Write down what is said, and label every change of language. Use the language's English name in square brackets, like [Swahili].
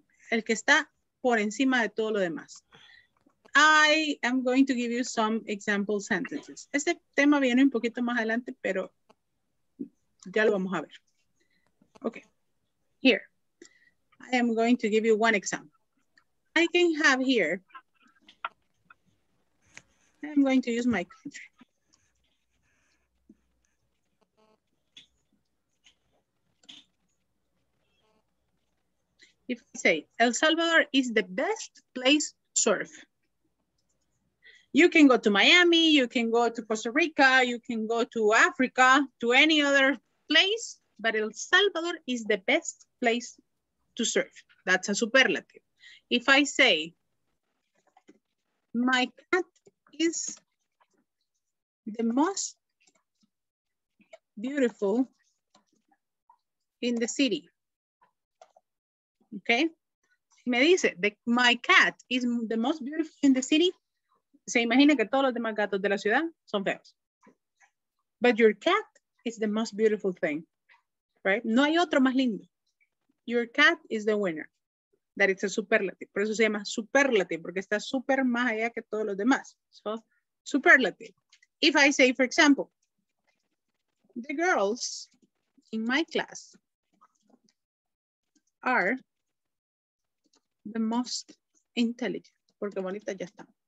[Spanish] El que está por encima de todo lo demás. [English] I am going to give you some example sentences. [Spanish] Este tema viene un poquito más adelante, pero ya lo vamos a ver. [English] Okay, here. I am going to give you one example. I can have here. I'm going to use my country. If I say, El Salvador is the best place to surf. You can go to Miami, you can go to Costa Rica, you can go to Africa, to any other place, but El Salvador is the best place to surf. That's a superlative. If I say, my cat is the most beautiful in the city. Okay? Me dice, my cat is the most beautiful in the city. [Spanish] Se imagina que todos los demás gatos de la ciudad son feos. [English] But your cat is the most beautiful thing. Right? No hay otro más lindo. Your cat is the winner. That it's a superlative. [Spanish] Por eso se llama superlative, porque está super más allá que todos los demás. [English] So, superlative. If I say, for example, the girls in my class are the most intelligent. Porque bonita ya está.